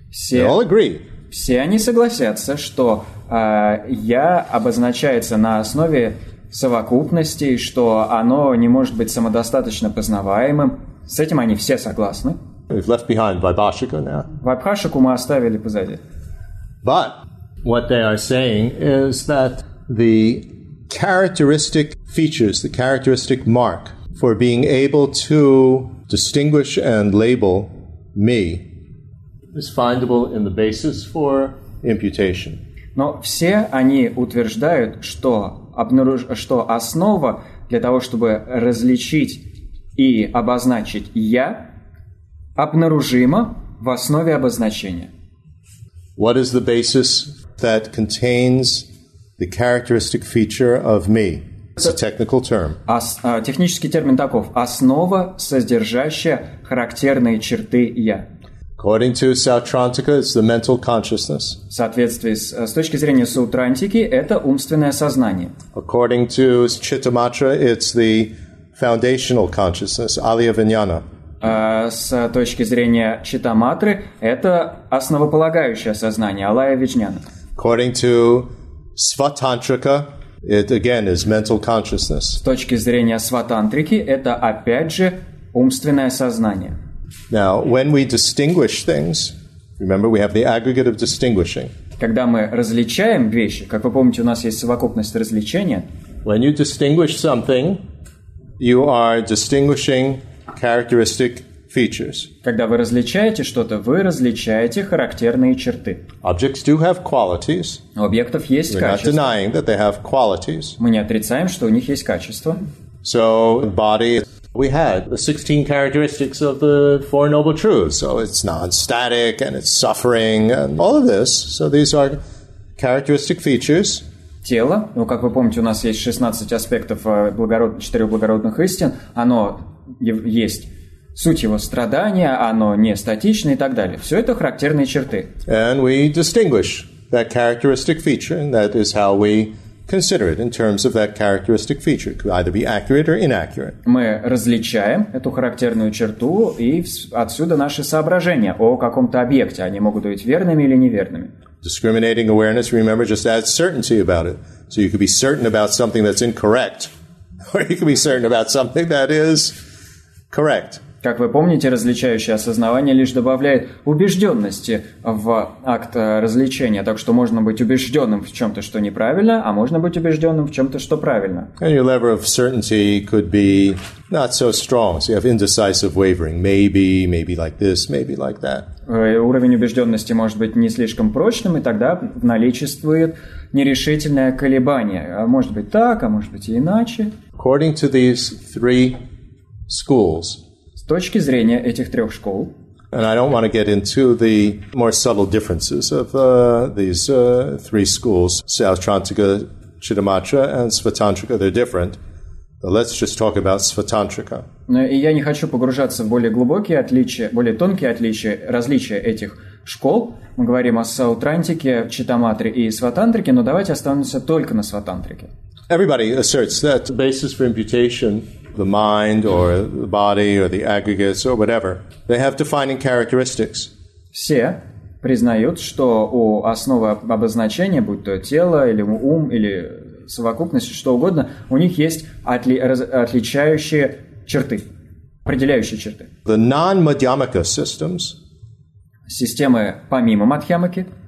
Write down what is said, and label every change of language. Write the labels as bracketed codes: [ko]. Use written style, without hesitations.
[en] They all agree. [ru] Все они согласятся, что я обозначается на основе совокупности, что оно не может быть самодостаточно познаваемым. С этим они все согласны. [en] We've left behind Vaibhashika now. [ru] Вайбхашику мы оставили позади. [en] But what they are saying is that the characteristic features, the characteristic mark for being able to distinguish and label me is findable in the basis for imputation. [ru] Но все они утверждают, что что основа для того, чтобы различить и обозначить я, обнаружима в основе обозначения. [en] What is the basis that contains the characteristic feature of me? It's a technical term. [ru] Технический термин таков. Основа, содержащая характерные черты я. [en] According to Sautrantika, it's the mental consciousness. [ru] В соответствии с точки зрения Саутрантики, это умственное сознание. [en] According to Chittamatra, it's the foundational consciousness, Alia-Vinyana. [ru] С точки зрения Читаматры, это основополагающее сознание, Алая Виджняна. [en] According to Сватантрика, it again is mental consciousness. [ru] С точки зрения Сватантрики, это опять же умственное сознание. [en] Now, when we distinguish things, remember we have the aggregate of distinguishing. [ru] Когда мы различаем вещи, как вы помните, у нас есть совокупность различения. [en] When you distinguish something, you are distinguishing characteristic features. [ru] Когда вы различаете что-то, вы различаете характерные черты. [en] Objects do have qualities. [ru] У объектов есть качества. [en] We're not denying that they have qualities. [ru] Мы не отрицаем, что у них есть качества. [en] So the body, we had the 16 characteristics of the Four Noble Truths. So it's non-static and it's suffering and all of this. So these are characteristic features. [ru] Тело, ну как вы помните, у нас есть 16 аспектов четырех благородных истин. Оно есть. Суть его страдания, оно не статичное и так далее. Все это характерные черты. [en] And we distinguish that characteristic feature, and that is how we consider it in terms of that characteristic feature. It could either be accurate or inaccurate. [ru] Мы различаем эту характерную черту, и отсюда наши соображения о каком-то объекте. Они могут быть верными или неверными. [en] Discriminating awareness, remember, just adds certainty about it. So you could be certain about something that's incorrect, or you could be certain about something that is correct. [ru] Как вы помните, различающее осознавание лишь добавляет убежденности в акт различения. Так что можно быть убежденным в чем-то, что неправильно, а можно быть убежденным в чем-то, что правильно. [en] And your level of certainty could be not so strong. So you have indecisive wavering. Maybe, maybe like this, maybe like that. [ru] Уровень убежденности может быть не слишком прочным, и тогда наличествует нерешительное колебание. А может быть так, а может быть и иначе. [en] According to these three schools, [ru] с точки зрения этих трех школ. [en] And I don't want to get into the more subtle differences of these three schools, Sautrantika, Chittimatra, and Svatantrika. They're different. But let's just talk about Svatantrika. [ru] Но и я не хочу погружаться в более глубокие отличия, более тонкие отличия, различия этих школ. Мы говорим о Саутрантике, Читаматре и Сватантрике, но давайте останемся только на Сватантрике. [en] Everybody asserts that the basis for imputation, the mind or the body or the aggregates or whatever, they have defining characteristics. [ru] Все признают, что у основы обозначения, будь то тело или ум или совокупность, что угодно, у них есть отличающие черты, определяющие черты. [en] The non-madhyamaka systems, [ru] системы помимо мадхьямаки,